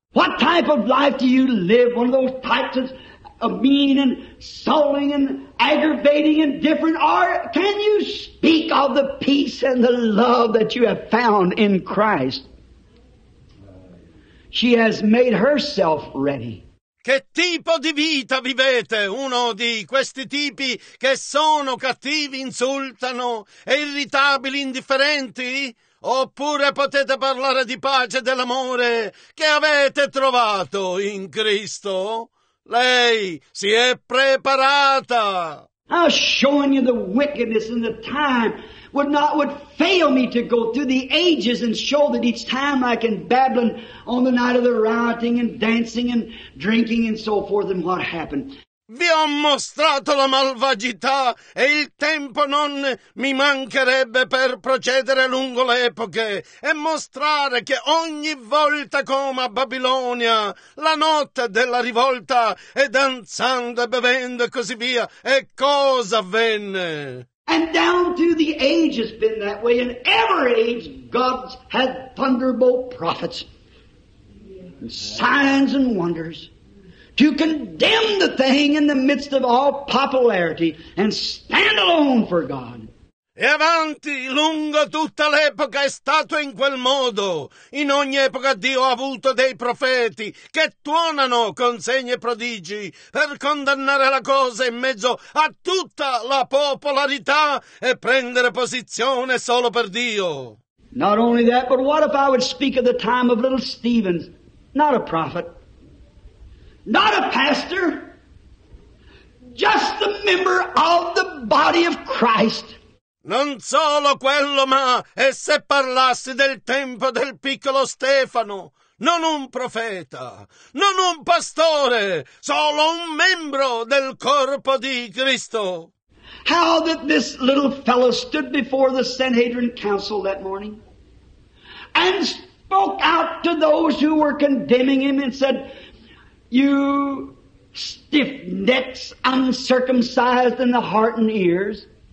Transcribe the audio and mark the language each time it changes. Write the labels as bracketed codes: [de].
[en] What type of life do you live? One of those types of mean and sullen and aggravating and different? Or can you speak of the peace and the love that you have found in Christ? She has made herself ready. [it] Che tipo di vita vivete? Uno di questi tipi che sono cattivi, insultano, irritabili, indifferenti? Oppure potete parlare di pace e dell'amore che avete trovato in Cristo? Lei si è preparata! [en] I'm showing you the wickedness and the time would fail me to go through the ages and show that each time like in Babylon on the night of the rioting and dancing and drinking and so forth and what happened. [it] Vi ho mostrato la malvagità e il tempo non mi mancherebbe per procedere lungo le epoche e mostrare che ogni volta come a Babilonia, la notte della rivolta e danzando e bevendo e così via, e cosa avvenne? [en] And down through the age has been that way. In every age, God's had thunderbolt prophets, and signs and wonders to condemn the thing in the midst of all popularity and stand alone for God. [it] E avanti, lungo tutta l'epoca è stato in quel modo. In ogni epoca Dio ha avuto dei profeti che tuonano con segni e prodigi per condannare la cosa in mezzo a tutta la popolarità e prendere posizione solo per Dio. [en] Not only that, but what if I would speak of the time of little Stephen, not a prophet, not a pastor, just a member of the body of Christ. [it] Non solo quello, ma e se parlassi del tempo del piccolo Stefano, non un profeta, non un pastore, solo un membro del corpo di Cristo. [en] How that this little fellow stood before the Sanhedrin council that morning and spoke out to those who were condemning him and said, "You stiff necks, uncircumcised in the heart and ears.